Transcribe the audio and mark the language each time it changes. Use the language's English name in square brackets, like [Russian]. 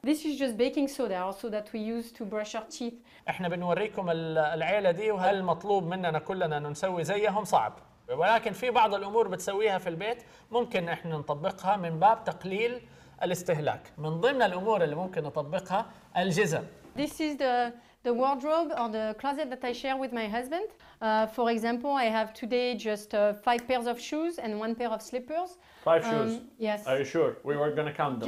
[English] This is just baking soda also that we use to brush our teeth. [Arabic] احنا بنوريكم العيلة دي، وهل مطلوب مننا كلنا أن نسوي زيهم؟ صعب. ولكن في بعض الأمور بتسويها في البيت ممكن احنا نطبقها من باب تقليل الاستهلاك. من ضمن الأمور اللي ممكن نطبقها الجزم. [English] This is the wardrobe or the closet that I share with my husband. For example, I have today just 5 pairs of shoes and 1 pair of slippers. 5 shoes? Yes. Are you sure? We were going to count them.